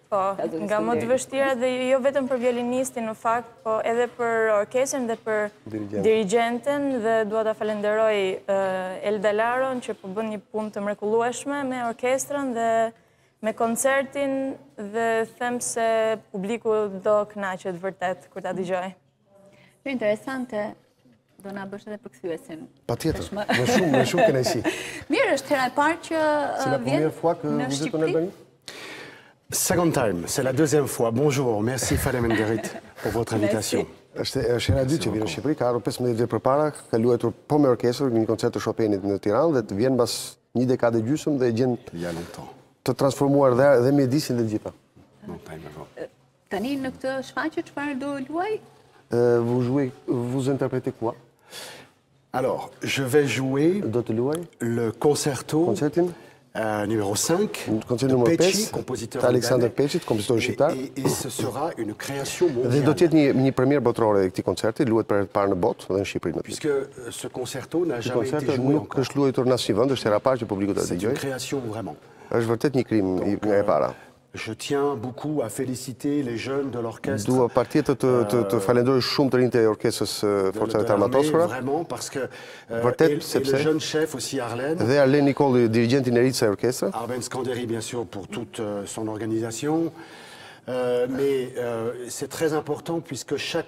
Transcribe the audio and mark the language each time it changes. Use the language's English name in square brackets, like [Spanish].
[Albanian] Po, nga më të vështira dhe jo vetëm për violinistin në fakt, po edhe për orkesën dhe për dirigentën dhe dua ta falenderoj Elda Laron që po bën një punë të mrekullueshme me orkestrën dhe me koncertin dhe them se publiku do kënaqet vërtet kur ta dëgjoj. Shumë interesante, do na bësh edhe përkthyesin. Patjetër, më shumë kënaqësi. Mirë, është hera e parë që vjen në Shqipëri. [English] Second time, [French] c'est la deuxième fois. Bonjour, merci [Albanian] faleminderit [French] pour votre invitation. [Albanian] Është hera e dytë që vjen në Shqipëri, ka ardhur 15 vjet përpara, ka luajtur po me orkestër në një koncert të Chopinit në Tiranë dhe të vjen mbas një dekade gjysmë dhe gjen ja lutem. Të transformuar dhe mjedisin dhe gjitha. Tani në këtë shfaqje çfarë do luaj? [French] Vous interprétez quoi? Alors, je vais jouer [Albanian] do të luaj [French] le concerto. [Albanian] Concertin? [French] Numéro 5, concert numéro 5, compositeur Alexander Peqet, compositeur [Albanian] shqiptar. [French] Et ce sera une création mondiale. [Albanian] Dhe do të jetë një premier botërore e këtij koncerti, luhet për herë të parë në botë dhe në Shqipëri. [French] Puisque ce concerto n'a jamais été joué encore. [Albanian] Ky është luajtur në asnjë vend, është hera e parë që publiku ta dëgjoj. [French] C'est une création vraiment. [Albanian] Është vërtet një krim nga e para. [French] Je tiens beaucoup à féliciter les jeunes de l'orchestre. [Albanian] Dua partitë të falenderoj shumë të rinjtë e orkestrës Forcave të Armatosura. [French] Vraiment parce que [Albanian] vërtet sepse [French] le jeune chef aussi Arlène. [Albanian] Dhe Arlène Nicole, dirigjentin e ri të orkestrës. [French] Arben Skënderi bien sûr pour toute son organisation. mais c'est très important puisque chaque